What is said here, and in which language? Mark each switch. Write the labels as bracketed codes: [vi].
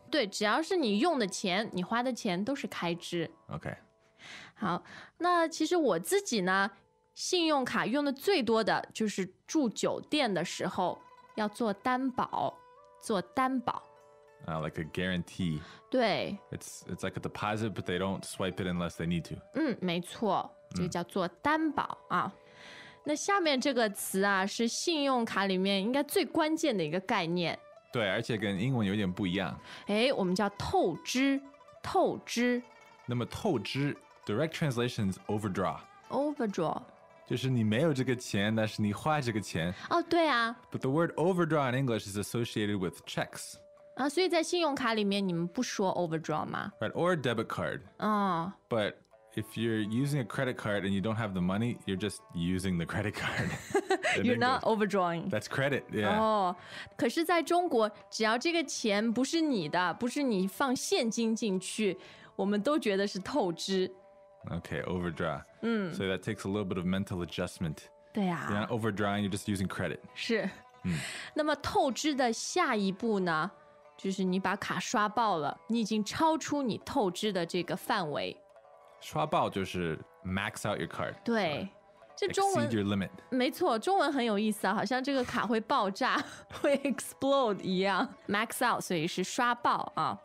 [zh] 对，只要是你用的钱，你花的钱都是开支。 [en] OK。 [zh] 好，那其实我自己呢，信用卡用的最多的就是住酒店的时候要做担保，做担保。 [en] Like a guarantee. [zh] 对。 [en] It's like a deposit, but they don't swipe it unless they need to. [zh] 嗯，没错，这个叫做担保啊。那下面这个词啊，是信用卡里面应该最关键的一个概念。对，而且跟英文有点不一样。哎，我们叫透支，透支。那么透支 [en] ，direct translation is overdraw. Overdraw. [zh] 就是你没有这个钱，但是你花这个钱。哦，对啊。 [en] But the word overdraw in English is associated with checks. [zh] 啊，所以在信用卡里面你们不说 overdraw 吗？ [en] Right, or debit card. 哦。 But if you're using a credit card and you don't have the money, you're just using the credit card. You're not overdrawing. That's credit, yeah. [zh] 哦，可是在中国，只要这个钱不是你的，不是你放现金进去，我们都觉得是透支。 [en] Okay, overdraw. So that takes a little bit of mental adjustment. [zh] 对啊。 [en] You're not overdrawing, you're just using credit. [zh] 是。那么透支的下一步呢，就是你把卡刷爆了，你已经超出你透支的这个范围。刷爆就是 [en] max out your card. [zh] 对。这中文 [en] exceed your limit. [zh] 没错，中文很有意思啊，好像这个卡会爆炸，会 explode 一样 ，max out， 所以是刷爆啊。